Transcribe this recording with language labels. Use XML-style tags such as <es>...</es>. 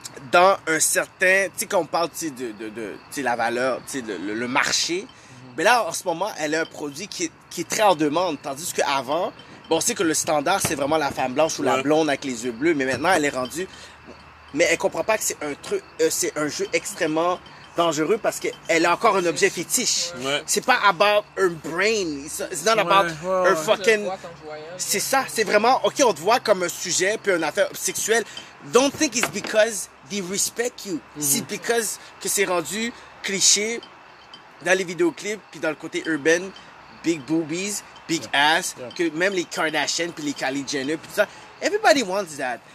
<fr>dans un certain, tu sais, quand on parle de la valeur, tu sais, le marché, mais là en ce moment elle est un produit qui est très en demande, tandis que avant, bon, on sait que le standard c'est vraiment la femme blanche ou la blonde avec les yeux bleus, mais maintenant elle est rendue, mais elle comprend pas que c'est un truc, c'est un jeu extrêmement dangereux parce que elle est encore un objet fétiche. Ouais. C'est pas</fr> <en>about her brain, it's not about her fucking.</en> <fr>C'est ça, c'est vraiment ok, on te voit comme un sujet puis une affaire sexuelle.</fr> <en>Don't think it's because they respect you.</en> <fr>Mm-hmm. C'est because que c'est rendu cliché dans les vidéoclips, puis dans le côté urban,</fr> <en>big boobies, big ass,</en> <fr>que même les Kardashian, puis les Kylie Jenner, puis tout ça.</fr> <en>Everybody wants that.</en>